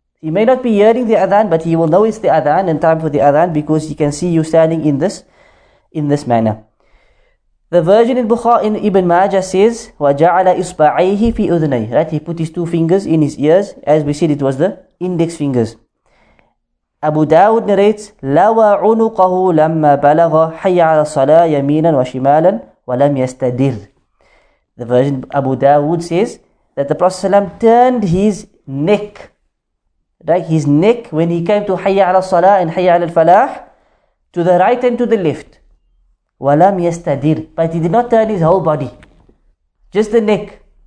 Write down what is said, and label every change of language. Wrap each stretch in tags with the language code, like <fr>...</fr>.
<en>He may not be hearing the adhan, but he will know it's the adhan and time for the adhan because he can see you standing in this manner. The version in Bukhari in Ibn Majah says,</en> <ar>وَجَعَلَ إِصْبَعَيْهِ فِي أُذْنَيْهِ.</ar> <en>Right, he put his two fingers in his ears. As we said, it was the index fingers. Abu Dawud narrates,</en> <ar>لَوَ عُنُقَهُ لَمَّا بَلَغَ حَيَّ عَلَى الصَّلَىٰ يَمِينًا وَشِمَالًا وَلَمْ يَسْتَدِرْ.</ar> <en>The version Abu Dawud says that the Prophet ﷺ turned his neck. Right, his neck when he came to Hayya ala Salah and Hayya ala Falah, to the right and to the left. Walam yastadir, but he did not turn his whole body, just the neck.</en>